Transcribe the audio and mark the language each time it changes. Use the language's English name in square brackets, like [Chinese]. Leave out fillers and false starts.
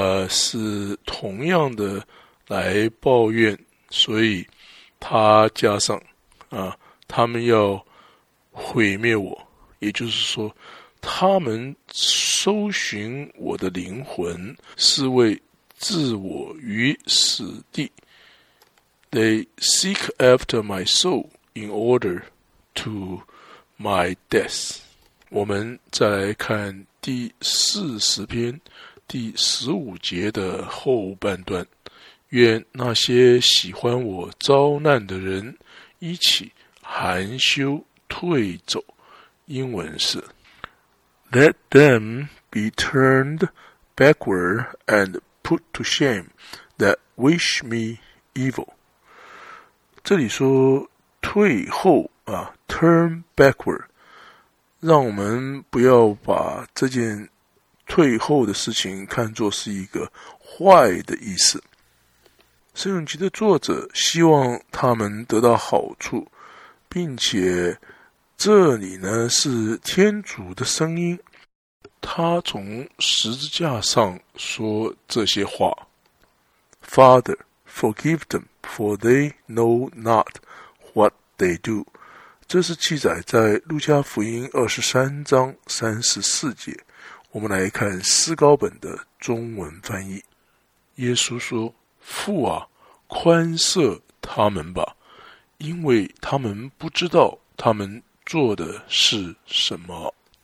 [Chinese] 是同样的来抱怨，所以他加上他们要毁灭我，也就是说他们搜寻我的灵魂是为置我于死地。 [English] They seek after my soul in order to my death。 [Chinese] 我们再来看第四十篇第十五节的后半段，愿那些喜欢我遭难的人一起含羞退走。英文是 [English] Let them be turned backward and put to shame that wish me evil。 [Chinese] 这里说退后啊， [English] turn backward， [Chinese] 让我们不要把这件退后的事情看作是一个坏的意思。圣咏集的作者希望他们得到好处，并且这里呢是天主的声音，他从十字架上说这些话。 [English] Father, forgive them, for they know not what they do。 [Chinese] 这是记载在路加福音23章34节。我们来看思高本的中文翻译。耶稣说，父啊，宽赦他们吧，因为他们不知道他们做的是什么。